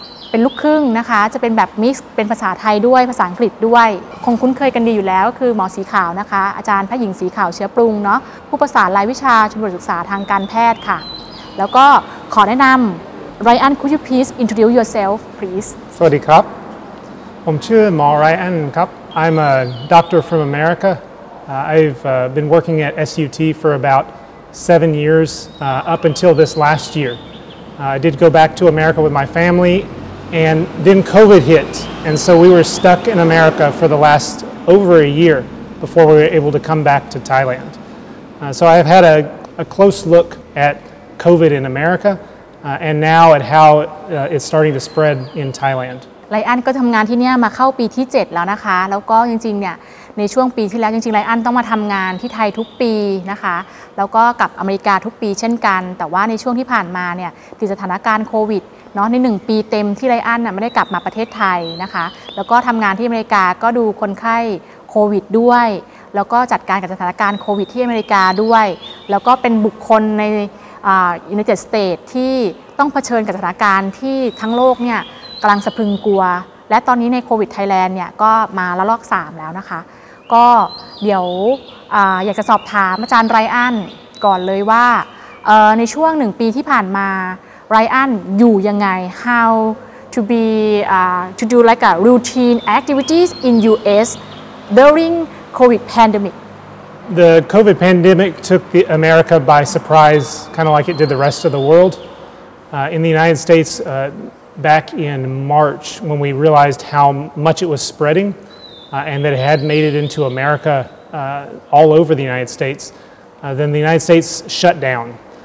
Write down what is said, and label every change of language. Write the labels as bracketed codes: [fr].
[th] เป็นลูกครึ่งนะคะจะเป็นแบบมิกซ์เป็นภาษาไทยด้วยภาษาอังกฤษด้วยคงคุ้นเคยกันดีอยู่แล้วก็คือหมอสีขาวนะคะอาจารย์แพทย์หญิงสีขาวเชื้อปรุงเนาะผู้ประสานรายวิชาชมรมศึกษาทางการแพทย์ค่ะแล้วก็ขอแนะนำไรอัน [en] could you please introduce yourself please [th] สวัสดีครับผมชื่อหมอไรอันครับ [en] I'm a doctor from AmericaI've been working at SUT for about 7 years up until this last year. I did go back to America with my family, and then COVID hit, and so we were stuck in America for the last over a year before we were able to come back to Thailand. So I have had a close look at COVID in America, and now at how it's starting to spread in Thailand. [th] ไรอันก็ทำงานที่นี่มาเข้าปีที่7แล้วนะคะแล้วก็จริงๆเนี่ยในช่วงปีที่แล้วจริงๆไรอันต้องมาทำงานที่ไทยทุกปีนะคะแล้วก็กับอเมริกาทุกปีเช่นกันแต่ว่าในช่วงที่ผ่านมาเนี่ยติดสถานการณ์โควิดเนาะใน1ปีเต็มที่ไรอันน่ะไม่ได้กลับมาประเทศไทยนะคะแล้วก็ทำงานที่อเมริกาก็ดูคนไข้โควิดด้วยแล้วก็จัดการกับสถานการณ์โควิดที่อเมริกาด้วยแล้วก็เป็นบุคคลใน United States ที่ต้องเผชิญกับสถานการณ์ที่ทั้งโลกเนี่ยกำลังสะพรึงกลัวและตอนนี้ในโควิดไทยแลนด์เนี่ยก็มาระลอก3แล้วนะคะก็เดี๋ยวอยากจะสอบถามอาจารย์ไรอันก่อนเลยว่าในช่วง1ปีที่ผ่านมาไรอันอยู่ยังไง [en] how to be to do like a routine activities in US during COVID pandemic The COVID pandemic took the America by surprise kind of like it did the rest of the world in the United States back in March when we realized how much it was spreadingand that it had made it into America all over the United States, then the United States shut down.